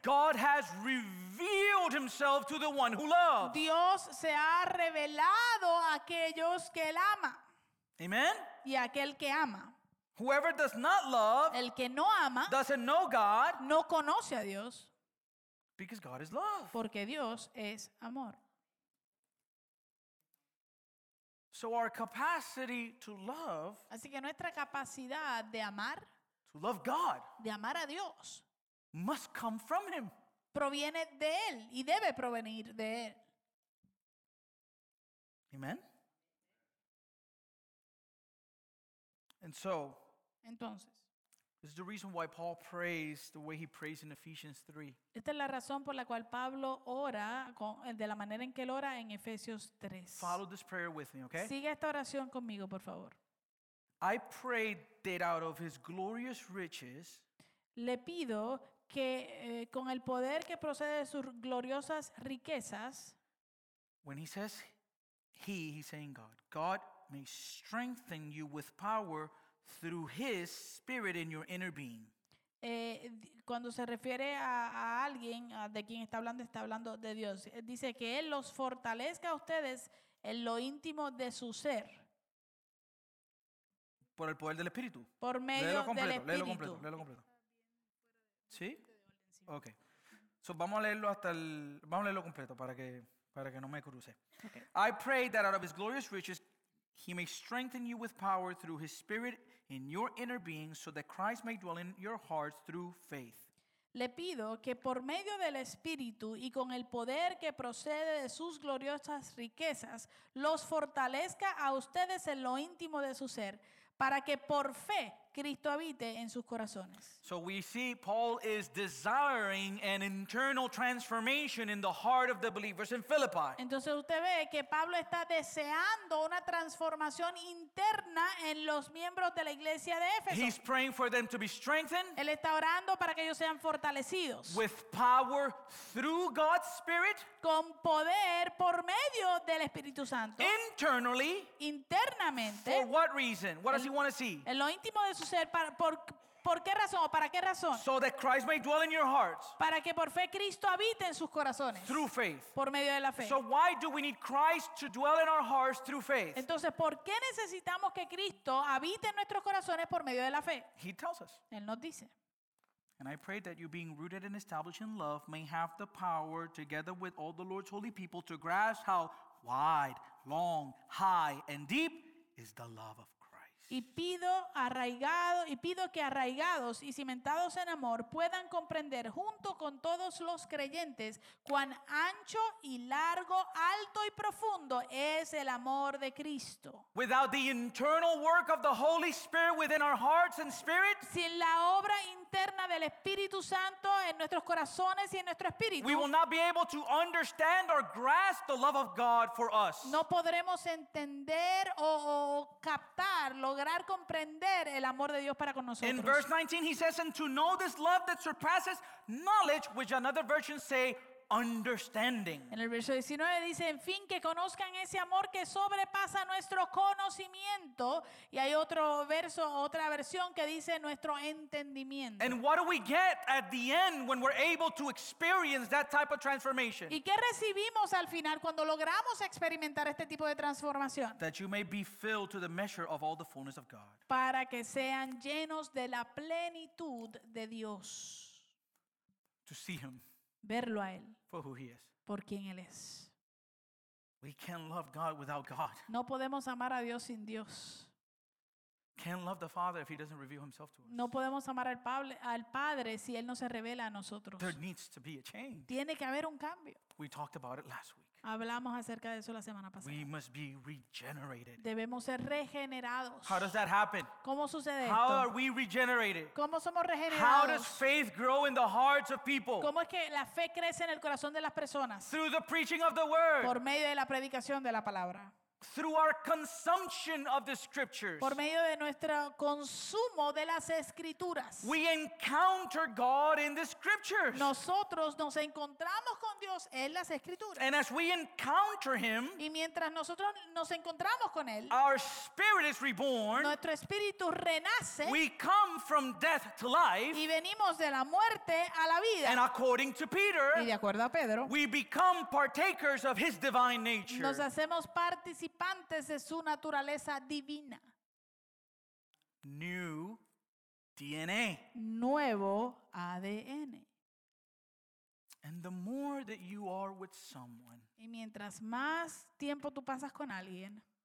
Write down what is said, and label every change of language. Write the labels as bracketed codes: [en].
[en] God has revealed himself to the one who loves. [es] Dios se ha revelado a aquellos que él ama. Amen. Y aquel que ama. [en] Whoever does not love, [es] el que no ama, [en] doesn't know God, [es] no conoce a Dios, [en] because God is love. [es] Porque Dios es amor. [en] So our capacity to love, [es] así que nuestra capacidad de amar, [en] to love God, [es] de amar a Dios, [en] must come from him. [es] Proviene de él y debe provenir de él. Amen. [en] And so, [es] entonces, [en] this is the reason why Paul prays the way he prays in Ephesians 3. [es] Esta es la razón por la cual Pablo ora de la manera en que él ora en Efesios 3. [en] Follow this prayer with me, okay? [es] Siga esta oración conmigo, por favor. [en] I pray that out of his glorious riches, [es] le pido que con el poder que procede de sus gloriosas riquezas, [en] when he says he's saying God may strengthen you with power through his spirit in your inner being. [es] Cuando se refiere a alguien de quien está hablando de Dios. Dice que él los fortalezca a ustedes en lo íntimo de su ser. Por el poder del Espíritu. Por medio del Espíritu. Léelo completo. ¿Sí? Okay. So vamos a leerlo completo para que no me cruce. [en] Okay. I pray that out of his glorious riches he may strengthen you with power through his spirit in your inner being so that Christ may dwell in your hearts through faith. [es] Le pido que por medio del Espíritu y con el poder que procede de sus gloriosas riquezas los fortalezca a ustedes en lo íntimo de su ser para que por fe Cristo habite en sus corazones. [en] So we see Paul is desiring an internal transformation in the heart of the believers in Philippi. [es] Entonces usted ve que Pablo está deseando una transformación interna en los miembros de la iglesia de Éfeso. [en] He's praying for them to be strengthened. [es] Él está orando para que ellos sean fortalecidos. [en] With power through God's Spirit. [es] Con poder por medio del Espíritu Santo. [en] Internally. [es] Internamente. [en] For what reason? What does he want to see? [es] En lo íntimo de su ser, por ¿Por qué razón o para qué razón? [en] So that Christ may dwell in your hearts. [es] Para que por fe Cristo habite en sus corazones. [en] Through faith. [es] Por medio de la fe. [en] So why do we need Christ to dwell in our hearts through faith? [es] Entonces, ¿por qué necesitamos que Cristo habite en nuestros corazones por medio de la fe? [en] He tells us. [es] Él nos dice. [en] And I pray that you, being rooted and established in love, may have the power, together with all the Lord's holy people, to grasp how wide, long, high, and deep is the love of Christ. [es] Y pido que arraigados y cimentados en amor puedan comprender junto con todos los creyentes cuán ancho y largo, alto y profundo es el amor de Cristo. [en] Without the internal work of the Holy Spirit within our hearts and spirit, [es] sin la obra interna del Espíritu Santo en nuestros corazones y en nuestro espíritu, [en] we will not be able to understand or grasp the love of God for us. [es] No podremos entender o captar, lograr comprender el amor de Dios para con nosotros. [en] In verse 19 he says, and to know this love that surpasses knowledge, which another version say understanding. [es] En el verso 19 dice, en fin, que conozcan ese amor que sobrepasa nuestro conocimiento, y hay otro verso, otra versión que dice nuestro entendimiento. [en] And what do we get at the end when we're able to experience that type of transformation? [es] ¿Y qué recibimos al final cuando logramos experimentar este tipo de transformación? [en] That you may be filled to the measure of all the fullness of God. [es] Para que sean llenos de la plenitud de Dios. [en] To see him. [es] Verlo a él. [en] For who he is. [es] Por quien él es. [en] We can't love God without God. [es] No podemos amar a Dios sin Dios. [en] Can't love the Father if he doesn't reveal himself to us. [es] No podemos amar al Padre si él no se revela a nosotros. [en] There needs to be a change. [es] Tiene que haber un cambio. [en] We talked about it last week. [es] Hablamos acerca de eso la semana pasada. [en] We must be regenerated. [es] Debemos ser regenerados. [en] How does that happen? [es] ¿Cómo sucede esto? [en] How are we regenerated? [es] ¿Cómo somos regenerados? [en] How does faith grow in the hearts of people? [es] ¿Cómo es que la fe crece en el corazón de las personas? [en] Through the preaching of the word. [es] Por medio de la predicación de la palabra. [en] Through our consumption of the scriptures. [es] Por medio de nuestro consumo de las escrituras. [en] We encounter God in the scriptures. [es] Nosotros nos encontramos con Dios en las escrituras. [en] And as we encounter him, [es] y mientras nosotros nos encontramos con él, [en] our spirit is reborn. [es] Nuestro espíritu renace. [en] We come from death to life. [es] Y venimos de la muerte a la vida. [en] And according to Peter, [es] y de acuerdo a Pedro, [en] we become partakers of his divine nature. [es] Nos hacemos partícipes de su naturaleza divina. [en] New DNA. [es] Nuevo ADN. [en] And the more that you are with someone, [es] y mientras más tiempo tú pasas con alguien,